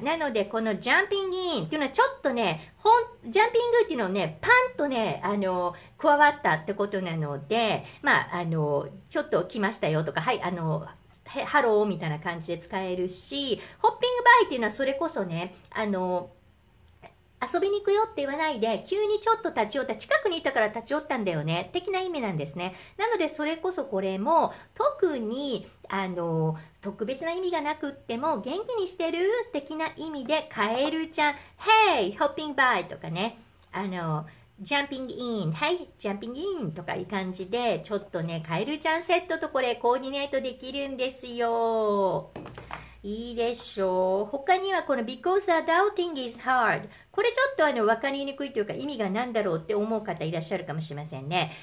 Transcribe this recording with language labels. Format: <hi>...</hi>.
<ja>なので、このジャンピングインっていうのはちょっとね、ジャンピングっていうのはね、パンとね、加わったってことなので、まあ、ちょっと来ましたよとか、はい、ハローみたいな感じで使えるし、ホッピングバイっていうのはそれこそね、遊びに行くよって言わないで、急にちょっと立ち寄った、近くにいたから立ち寄ったんだよね、的な意味なんですね。なので、それこそこれも、特に、特別な意味がなくっても、元気にしてる的な意味で、カエルちゃん、</ja> <en>Hey! Hopping by!</en> <ja>とかね、</ja> <en>Jumping in! Hey! Jumping in!</en> <ja>とかいう感じで、ちょっとね、カエルちゃんセットとこれ、コーディネートできるんですよ。いいでしょう。他にはこの</ja> <en>Because the doubting is hard。</en> <ja>これちょっと分かりにくいというか、意味が何だろうって思う方いらっしゃるかもしれませんね。</ja>